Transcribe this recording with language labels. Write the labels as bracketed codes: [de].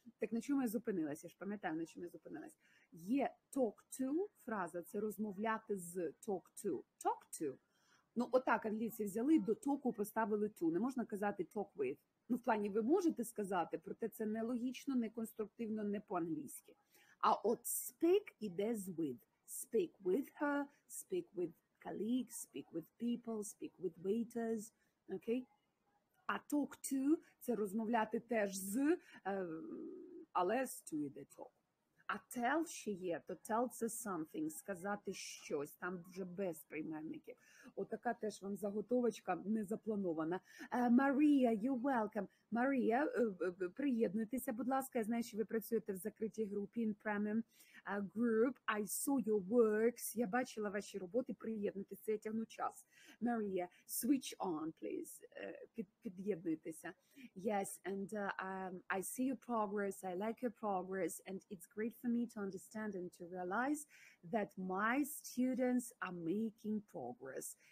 [uk] Так на чому я зупинилася, я ж пам'ятаю, на чому я зупинилася. Є talk to фраза, це розмовляти з talk to, talk to. Ну отак англійці взяли, до току поставили to, не можна казати talk with. Ну, в плані, ви можете сказати, проте це не логічно, не конструктивно, не по-англійськи. А от speak іде з with. [en] Speak with her, speak with colleagues, speak with people, speak with waiters. [uk] Okay? А talk to – це розмовляти теж з, але з to іде talk. А tell ще є, то tell – це something, сказати щось, там вже без прийменників. Отака теж вам заготовочка незапланована. Марія, [en] you're welcome. [uk] Марія, приєднуйтеся, будь ласка. Я знаю, що ви працюєте в закритій групі, [en] in premium group. I saw your works. [uk] Я бачила ваші роботи, приєднуйтеся, я тягну час. [en] Марія, switch on, please. [uk] Під'єднуйтеся. [en] Yes, and I see your progress, I like your progress, and it's great for me to understand and to realize that my students are making progress.